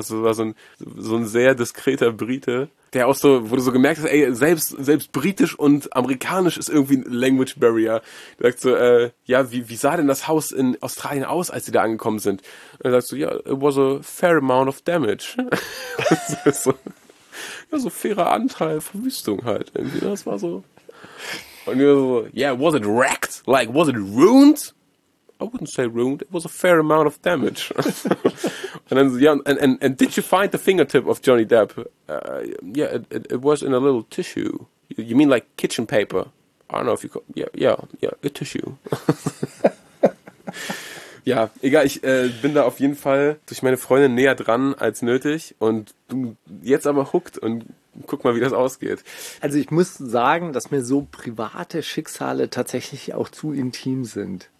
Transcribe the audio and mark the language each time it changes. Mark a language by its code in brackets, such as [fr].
[de] Das war so ein sehr diskreter Brite, der auch so, wo du so gemerkt hast, ey, selbst britisch und amerikanisch ist irgendwie ein Language Barrier. Du sagst so, ja, wie sah denn das Haus in Australien aus, als sie da angekommen sind? Und dann sagst du, ja, [en] it was a fair amount of damage. [de] So, ja, so fairer Anteil Verwüstung halt irgendwie. Das war so. Und wir so, [en] yeah, was it wrecked? Like, was it ruined? I wouldn't say ruined, it was a fair amount of damage. [de] Und dann so, ja, [en] and did you find the fingertip of Johnny Depp? Yeah, it was in a little tissue. You mean like kitchen paper? I don't know if you call it. Yeah, a tissue. [de] Ja, egal, ich bin da auf jeden Fall durch meine Freundin näher dran als nötig und jetzt aber hooked und guck mal, wie das ausgeht. Also ich muss sagen, dass mir so private Schicksale tatsächlich auch zu intim sind.